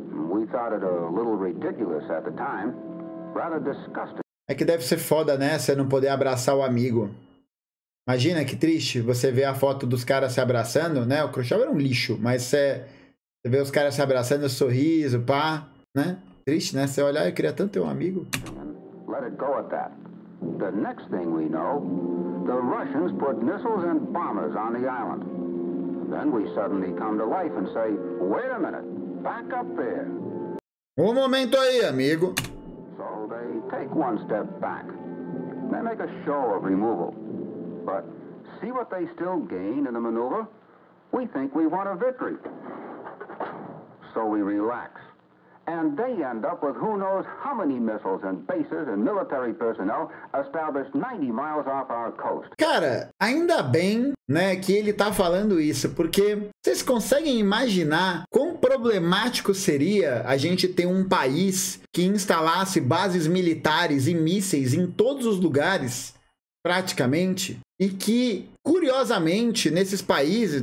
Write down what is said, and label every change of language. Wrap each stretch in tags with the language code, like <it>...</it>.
<en>We thought it a little ridiculous at the time. Rather disgusting.</en> <pt>É que deve ser foda, né? Você não poder abraçar o amigo. Imagina que triste você ver a foto dos caras se abraçando, né? O Khrushchev era um lixo, mas você vê os caras se abraçando, sorriso, pá, né? Triste, né? Você olhar, eu queria tanto ter um amigo.</pt> <en>Let it go at that. The next thing we know, the Russians put missiles and bombers on the island. Then we suddenly come to life and say, wait a minute, back up there.</en> <pt>Um momento aí, amigo.</pt> <en>So they take one step back. They make a show of removal. But see what they still gain in the maneuver? We think we want a victory. So we relax. And they end up with who knows how many missiles and bases and military personnel established 90 miles off our coast.</en> <pt>Cara, ainda bem, né, que ele tá falando isso, porque vocês conseguem imaginar quão problemático seria a gente ter um país que instalasse bases militares e mísseis em todos os lugares, praticamente, e que, curiosamente, nesses países...</pt>